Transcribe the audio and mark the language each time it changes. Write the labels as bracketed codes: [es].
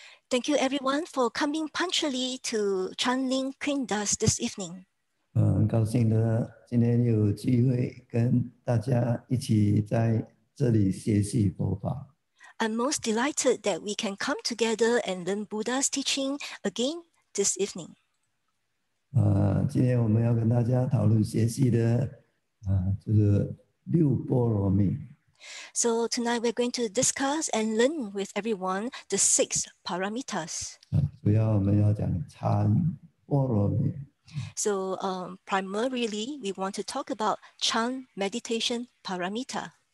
[en] Thank you everyone for coming punctually to Chan Ling Queen Dust this evening. [zh] 很高兴的今天有机会跟大家一起在这里学习佛法。 [en] I'm most delighted that we can come together and learn Buddha's teaching again this evening. [zh] 今天我们要跟大家讨论学习的就是六波罗蜜。 [en] So tonight we're going to discuss and learn with everyone the six paramitas. [zh] 主要我们要讲禅波罗蜜。 [en] So primarily, we want to talk about Chan Meditation Paramita.